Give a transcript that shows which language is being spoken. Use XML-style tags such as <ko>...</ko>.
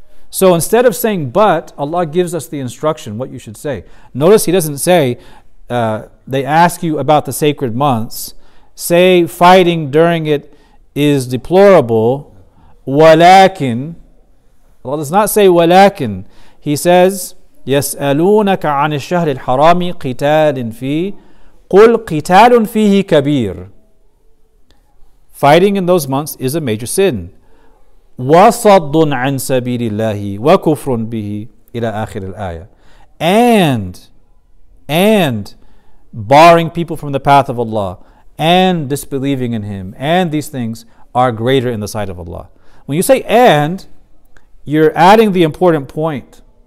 <en>So instead of saying but, Allah gives us the instruction what you should say. Notice He doesn't say, they ask you about the sacred months, say fighting during it is deplorable, walakin. Allah does not say walakin. He says,</en> <ar>يَسْأَلُونَكَ عَنِ الشَّهْرِ الْحَرَامِ قِتَالٍ فِي قُلْ قِتَالٌ فِيهِ كَبِيرٌ.</ar> <en>Fighting in those months is a major sin.</en> <ar>وَصَدٌ عَنْ سَبِيلِ اللَّهِ وَكُفْرٌ بِهِ إِلَىٰ آخِرِ الْآيَةِ.</ar> <en>And barring people from the path of Allah, and disbelieving in Him, and these things are greater in the sight of Allah. When you say and, you're adding the important point.</en>